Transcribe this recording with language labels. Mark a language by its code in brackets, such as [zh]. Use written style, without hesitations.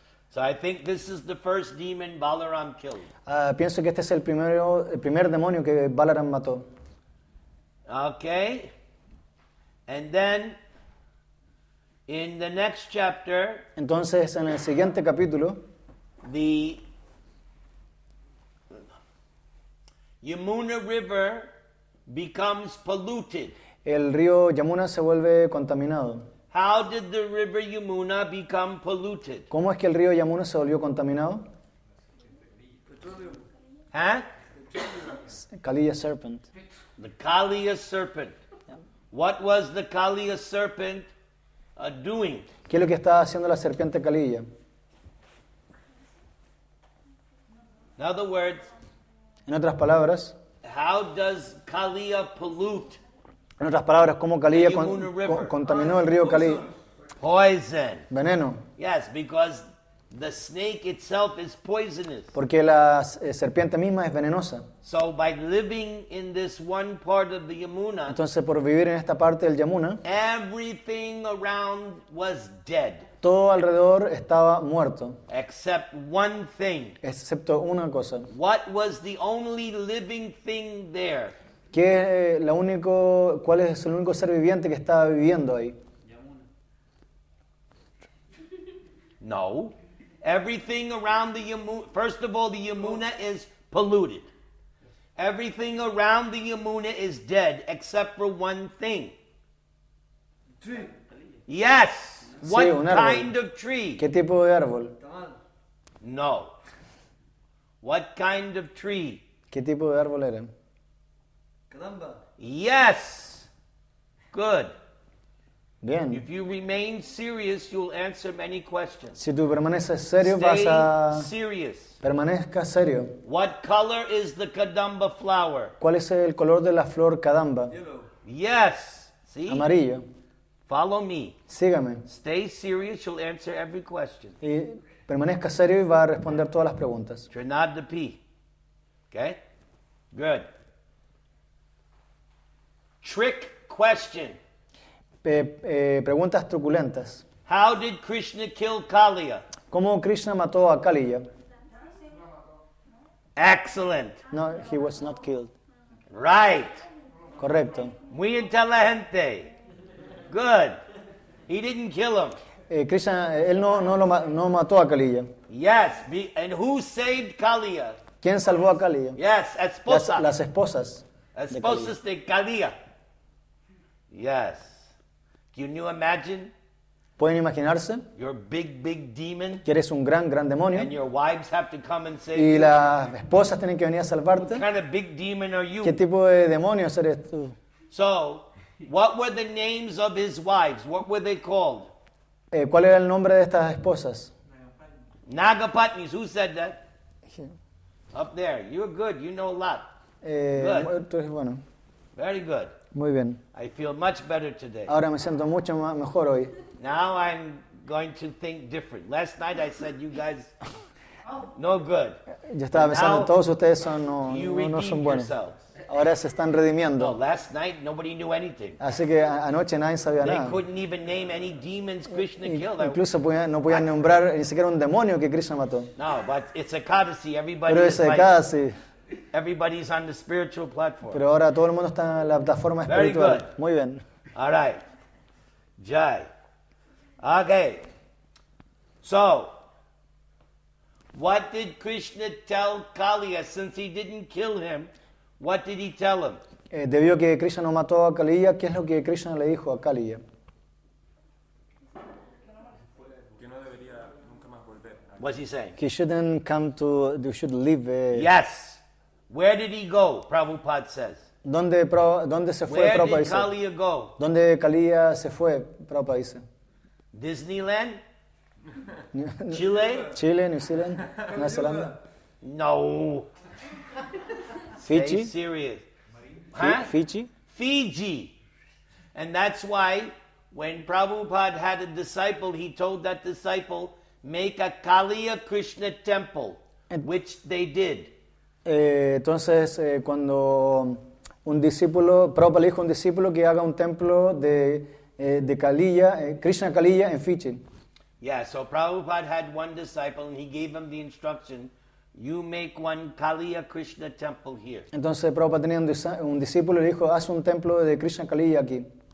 [en] So I think this is the first demon Balaram killed. [es] Pienso que este es el primer demonio que Balaram mató. [en] Okay. And then, in the next chapter. [es] Entonces, en el siguiente capítulo. [en] The Yamuna River becomes polluted. [es] El río Yamuna se vuelve contaminado. [en] How did the river Yamuna become polluted? [es] ¿Cómo es que el río Yamuna se volvió contaminado? [en] Petroleum. Huh? Kaliya serpent. The Kaliya serpent. Yeah. What was the Kaliya serpent doing? [es] ¿Qué es lo que estaba haciendo la serpiente Kaliya? [en] In other words, [es] en otras palabras, [en] how does Kaliya pollute? [es] En otras palabras, ¿cómo Kaliya contaminó el río Kali? [en] Poison. [es] Veneno. [en] Yes, because the snake itself is poisonous. [es] Porque la serpiente misma es venenosa. [en] So by living in this one part of the Yamuna, [es] entonces por vivir en esta parte del Yamuna, [en] everything around was dead. [es] Todo alrededor estaba muerto. [en] Except one thing. [es] Excepto una cosa. [en] What was the only living thing there? [es] ¿Qué es lo único, cuál es el único ser viviente que estaba viviendo ahí? [en] No. Everything around the Yamuna, first of all, the Yamuna is polluted. Everything around the Yamuna is dead, except for one thing. Tree. Yes. [es] Sí, [en] what kind of tree? [es] ¿Qué tipo de árbol? [en] No. What kind of tree? [es] ¿Qué tipo de árbol era? [en] Yes. Good. [es] Bien. [en] If you remain serious, you'll answer many questions. [es] Si tú permaneces serio, [en] stay [es] vas a [en] serious. [es] Permanezca serio. [en] What color is the kadamba flower? [es] ¿Cuál es el color de la flor kadamba? [en] Yellow. Yes. See? [es] Amarillo. [en] Follow me. [es] Sígame. [en] Stay serious, you'll answer every question. [es] Y permanezca serio y va a responder todas las preguntas. [en] Trinadapi. Okay? Good. Trick question. [es] Preguntas truculentas. [en] How did Krishna kill Kaliya? [es] ¿Cómo Krishna mató a Kaliya? [en] Excellent. No, he was not killed. Right. [es] Correcto. Muy inteligente. [en] Good. He didn't kill him. [es] Krishna, él no mató a Kaliya. [en] Yes. And who saved Kaliya? [es] ¿Quién salvó a Kaliya? [en] Yes, esposa. [es] Las esposas. Esposas de Kaliya. [en] Yes. Can you imagine? [es] ¿Pueden imaginarse? [en] You're a big, big demon. [es] Que eres un gran, gran demonio. [en] And your wives have to come and save [es] y las esposas tienen que venir a salvarte. [en] What kind of big demon are you? [es] ¿Qué tipo de demonio eres tú? [en] So, what were the names of his wives? What were they called? [es] ¿Cuál era el nombre de estas esposas? [en] Nagapatnis. Who said that? Yeah. Up there. You're good. You know a lot. Good. [es] Tú eres bueno. [en] Very good. [es] Muy bien. [en] I feel much better today. [es] Ahora me siento mucho mejor hoy. [en] Now I'm going to think different. Last night I said you guys no good. [es] Yo estaba pensando todos ustedes son no son buenos. Ahora se están redimiendo. [en] No, last night nobody knew anything. [es] Así que anoche nadie sabía [en] they [es] nada. [en] They couldn't even name any demons Krishna killed. [es] Incluso no podían nombrar ni siquiera un demonio que Krishna mató. [en] No, but it's a codicil. Everybody [es] pero es Ekadasi. [en] Everybody's on the spiritual platform. [es] Pero ahora todo el mundo está en la plataforma espiritual. [en] Very good. [es] Muy bien. [en] All right. Jai. Okay. So, what did Krishna tell Kaliya since he didn't kill him? What did he tell him? [es] Debido a que Krishna no mató a Kaliya, ¿qué es lo que Krishna le dijo a Kaliya? Que no debería nunca más volver. [en] What's he saying? He shouldn't come to, he should leave. Yes. Where did he go? Prabhupada says. [es] ¿Dónde se fue Prabhupada? [en] Where did Kaliya go? [es] ¿Dónde Kaliya se fue Prabhupada dice? [en] Disneyland? Chile? Chile, New Zealand, Nueva Zelanda. No. Fiji? Stay serious. Huh? Fiji? Fiji. And that's why when Prabhupada had a disciple, he told that disciple, make a Kaliya Krishna temple, which they did. [es] Entonces, cuando un discípulo, Prabhupada le dijo a un discípulo que haga un templo de Kaliya, Krishna Kaliya en Fiji. [en] Yeah, so Prabhupada had one disciple and he gave him the instruction, you make one Kaliya Krishna temple here. [es] Entonces, Prabhupada tenía un discípulo y le dijo, haz un templo de Krishna Kaliya aquí.